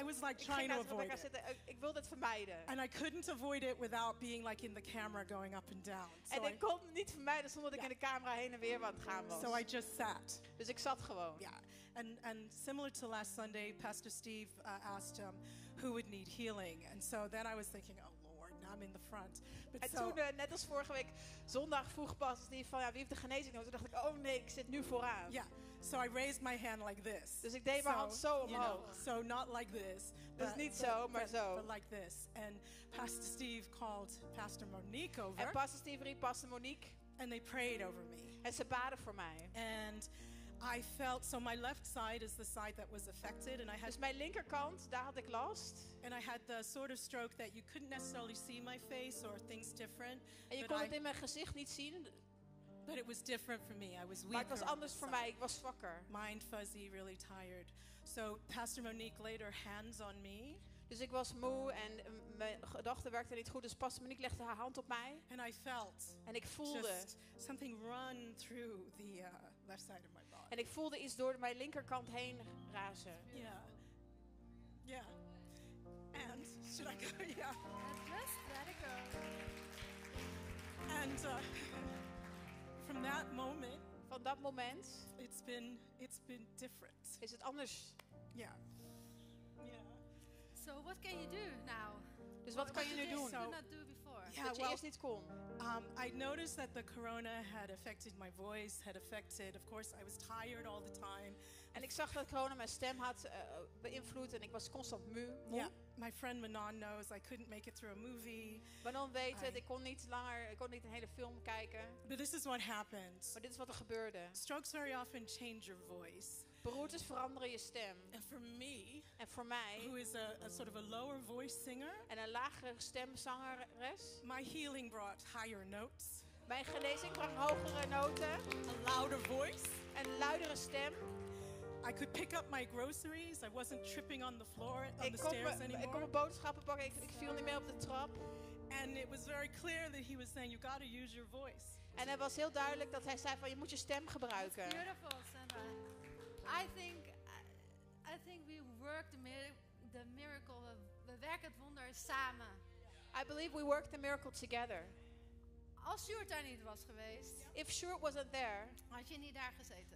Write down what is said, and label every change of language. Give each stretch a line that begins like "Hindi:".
English: I was like trying to avoid Rebecca it.
Dutch: Zitten. Ik wilde het vermijden.
English: And I couldn't avoid it without being like in the camera going up and down.
Dutch: So en ik kon het niet vermijden zonder dat ik in de camera heen en weer aan het gaan was.
English: So I just sat.
Dutch: Dus ik zat gewoon.
English: Yeah. And similar to last Sunday, Pastor Steve asked him who would need healing. And so then I was thinking, oh Lord, now I'm in the front.
Dutch: But en toen, net als vorige week, zondag vroeg Pastor Steve van, ja, wie heeft de genezing nodig? Toen dacht ik, oh nee, ik zit nu vooraan.
English: Yeah, so I raised my hand like this.
Dutch: Dus ik deed mijn hand zo omhoog.
English: You know, so not like this.
Dutch: Dus niet zo, maar zo.
English: But like this. And Pastor Steve called Pastor Monique over.
Dutch: En Pastor Steve riep Pastor Monique.
English: And they prayed over me.
Dutch: En ze baden voor mij.
English: And I felt so my left side is the side that was affected and I had
Dutch: dus mijn linkerkant daar had ik last
English: and I had the sort of stroke that you couldn't necessarily see my face or things different
Dutch: en je kon het in mijn gezicht niet zien
English: but it was different for me I was weaker
Dutch: maar het was anders voor mij ik was zwakker
English: mind fuzzy really tired so Pastor Monique laid her hands on me.
Dutch: Dus ik was moe en mijn gedachten werkten niet goed. Dus Pastor Monique legde haar hand op mij.
English: And I felt
Dutch: en ik voelde
English: just something run through the left side of my body.
Dutch: En ik voelde iets door mijn linkerkant heen razen.
English: Yeah. And should I go? Yeah. Just let it go. And from that moment.
Dutch: Van dat moment.
English: It's been different.
Dutch: Is het anders?
English: Yeah. Yeah. So what can you do now?
Dutch: Dus wat kan je nu doen?
English: So, not do before.
Dutch: Yeah, dat je eerst niet kon.
English: I noticed that the corona had affected my voice, had affected. Of course, I was tired all the time.
Dutch: En ik zag dat corona mijn stem had beïnvloed en ik was constant moe.
English: Yeah. My friend Manon knows I couldn't make it through a movie.
Dutch: Manon weet het, ik kon niet een hele film kijken.
English: But this is what happened.
Dutch: Maar dit is wat er gebeurde.
English: Strokes very often change your voice.
Dutch: Beroertes veranderen je stem.
English: And for me,
Dutch: en voor mij,
English: who is a sort of a lower voice singer,
Dutch: en een lagere stemzangeres,
English: my healing brought higher notes.
Dutch: Mijn genezing bracht hogere noten.
English: A louder voice.
Dutch: Een luidere stem.
English: I could pick up my groceries. I wasn't tripping on the floor on
Dutch: ik
English: the stairs anymore.
Dutch: Ik kon mijn boodschappen pakken. Ik viel niet meer op de trap.
English: And it was very clear that he was saying, "You got to use your voice."
Dutch: En het was heel duidelijk dat hij zei van, je moet je stem gebruiken.
English: That's beautiful, Sanna. I think we work the miracle.
Dutch: We werken het wonder samen.
English: I believe we work the miracle together.
Dutch: Als Sjoerd daar niet was geweest.
English: If Sjoerd wasn't there.
Dutch: Had je niet daar gezeten.